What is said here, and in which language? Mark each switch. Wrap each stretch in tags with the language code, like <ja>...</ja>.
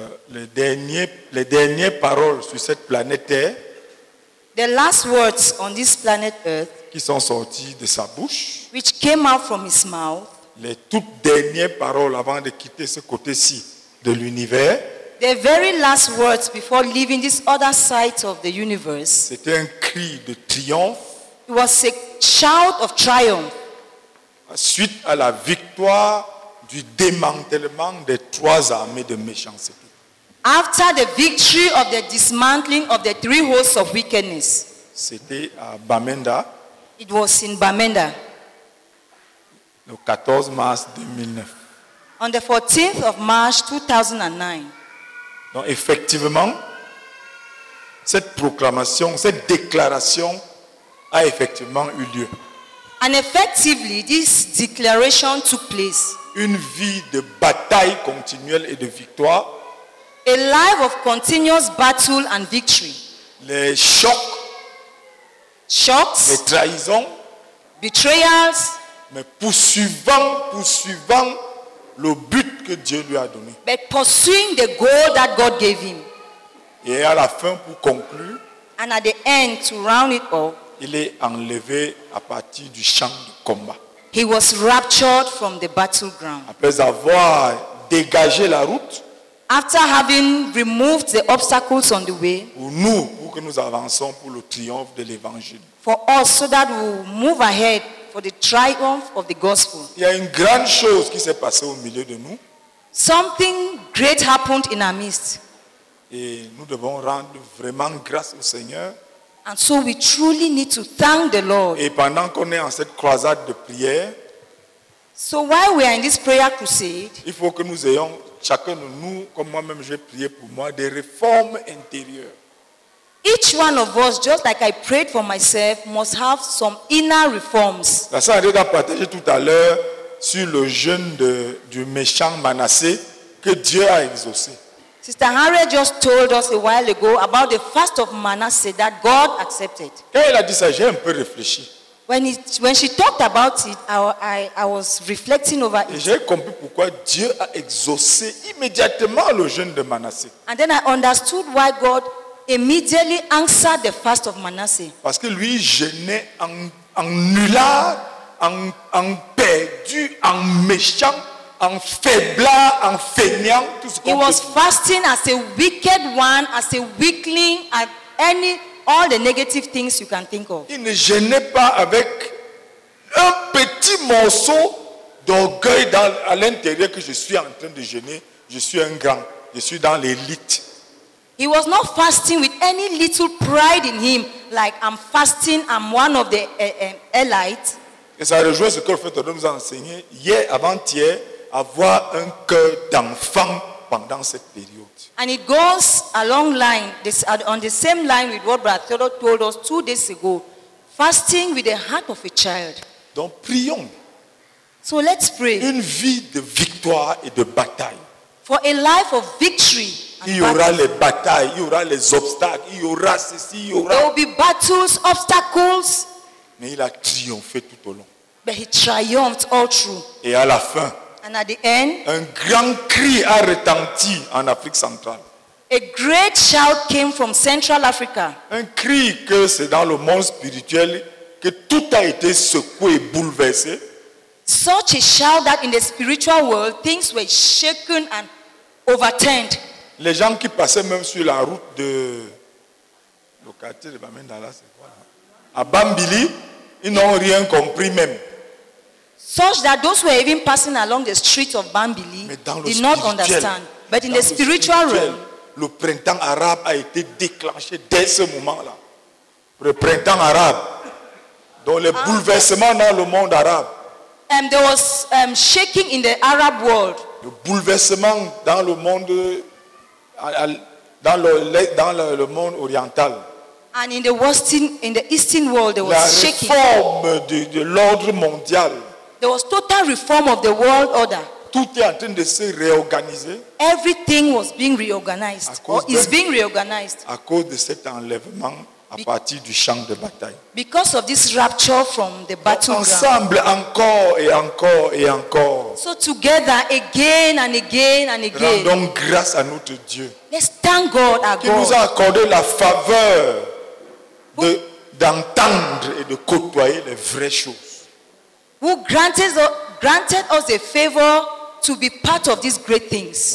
<fr>Les dernières paroles sur cette planète Terre,</fr> <en>the last words on this planet Earth,</en> <fr>qui sont sorties de sa bouche,</fr> <en>which came out from his mouth,</en> <fr>les toutes dernières paroles avant de quitter ce côté-ci de l'univers,</fr> <en>the very last words before leaving this other side of the universe,</en> <fr>c'était un cri de triomphe.</fr> <en>It was a shout of triumph.</en> <fr>Suite à la victoire du démantèlement des trois armées de méchanceté.</fr> <en>After the victory of the dismantling of the three hosts of wickedness.</en> <fr>C'était à Bamenda.</fr> <en>It was in Bamenda.</en> <fr>Le 14 mars 2009.</fr> <en>On the 14th of March 2009.</en> <fr>Donc effectivement, cette proclamation, cette déclaration a effectivement eu lieu.</fr> <en>And effectively, this declaration took place.</en> <fr>Une vie de bataille continuelle et de victoire.</fr> <en>A life of continuous battle and victory.</en> <fr>Les chocs.</fr> <en>Shocks.</en> <fr>Les trahisons.</fr> <en>Betrayals.</en> <fr>Mais poursuivant le but que Dieu lui a donné.</fr> <en>But pursuing the goal that God gave him.</en> <fr>Et à la fin, pour conclure.</fr> <en>And at the end, to round it off.</en> <fr>Il est enlevé à partir du champ de combat.</fr> <en>He was raptured from the battleground.</en> <fr>Après avoir dégagé la route.</fr> <en>After having removed the obstacles on the way.</en> <fr>Pour nous, pour que nous avançons pour le triomphe de l'évangile.</fr> <en>For us, so that we move ahead for the triumph of the gospel.</en> <fr>Il y a une grande chose qui s'est passée au milieu de nous.</fr> <en>Something great happened in our midst.</en> <fr>Et nous devons rendre vraiment grâce au Seigneur.</fr> <en>And so we truly need to thank the Lord.</en> <fr>Et pendant qu'on est en cette croisade de prière,</fr> <en>so while we are in this prayer crusade,</en> <fr>il faut que nous ayons chacun de nous, comme moi-même, je prie pour moi, des réformes intérieures.</fr> <en>Each one of us, just like I prayed for myself, must have some inner reforms.</en> <fr>La Sainte a partagé tout à l'heure sur le jeûne du méchant Manassé que Dieu a exaucé.</fr> <en>Sister Henriette just told us a while ago about the fast of Manasseh that God accepted.</en> <fr>Quand elle a dit ça, j'ai un peu réfléchi.</fr> <en>When she talked about it, I was reflecting over it.</en> <fr>Et j'ai compris pourquoi Dieu a exaucé immédiatement le jeûne de Manasseh.</fr> <en>And then I understood why God immediately answered the fast of Manasseh.</en> <fr>Parce que lui jeûnait en nulard, en perdu, en méchant, en faiblard, en feignant, tout ce qu'on peut.</fr> <en>He was fasting as a wicked one, as a weakling, at any all the negative things you can think of.</en> <fr>Il ne gênait pas avec un petit morceau d'orgueil à l'intérieur que je suis en train de gêner. Je suis un grand. Je suis dans l'élite.</fr> <en>He was not fasting with any little pride in him, like I'm fasting, I'm one of the élites.</en> <fr>Et ça rejoint ce que le Fait nous a enseigné hier, avant-hier, avoir un cœur d'enfant pendant cette période.</fr> <en>And it goes along line, this, on the same line with what Brother Theodore told us 2 days ago, fasting with the heart of a child.</en> <fr>Donc prions.</fr> <en>So let's pray.</en> <fr>Une vie de victoire et de bataille.</fr> <en>For a life of victory.</en> <fr>Il y aura les batailles, il y aura les obstacles, il y aura ceci, il y aura.</fr> <en>There will be battles, obstacles.</en> <fr>Mais il a triomphé tout au long.</fr> <en>But he triumphed all through.</en> <fr>Et à la fin.</fr> <en>And at the end,</en> <fr>un grand cri a retenti en Afrique centrale.</fr> <en>A great shout came from Central Africa.</en> <fr>Un cri que c'est dans le monde spirituel que tout a été secoué et bouleversé.</fr> <en>Such a shout that in the spiritual world things were shaken and overturned.</en> <fr>Les gens qui passaient même sur la route de le quartier de Bamendala, c'est quoi là? À Bambili, ils n'ont rien compris même.</fr> <en>Such that those who were even passing along the streets of Bambili did not understand. But in the spiritual realm,</en> <fr>le printemps arabe a été déclenché dès ce moment-là. Le printemps arabe, dont les bouleversements dans le monde arabe.</fr> <en>There was shaking in the Arab world.</en> <fr>Le bouleversement dans le monde, dans le monde oriental.</fr> <en>And in the eastern world, there was shaking.</en> <fr>La réforme de l'ordre mondial.</fr> <en>There was total reform of the world order.</en> <fr>Tout est en train de se réorganiser.</fr> <en>Everything was being reorganized. Or is being reorganized.</en> <fr>À cause de cet enlèvement à partir du champ de bataille.</fr> <en>Because of this rapture from the battleground.</en> <fr>Ensemble encore et encore et encore.</fr> <en>So together again and again and again.</en> <fr>Rendons grâce à notre Dieu.</fr> <en>Let's thank God, our God.</en> <fr>Qui nous a accordé la faveur d'entendre et de côtoyer les vraies choses.</fr> <en>Who granted us a favor to be part of these great things.</en>